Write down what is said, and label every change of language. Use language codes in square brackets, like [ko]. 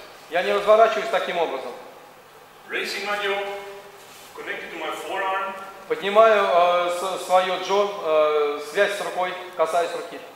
[ru] Я не разворачиваюсь таким образом. [en] Raising my jaw, connected to my forearm. [ru] Поднимаю свое джо, связь с рукой, касаясь руки.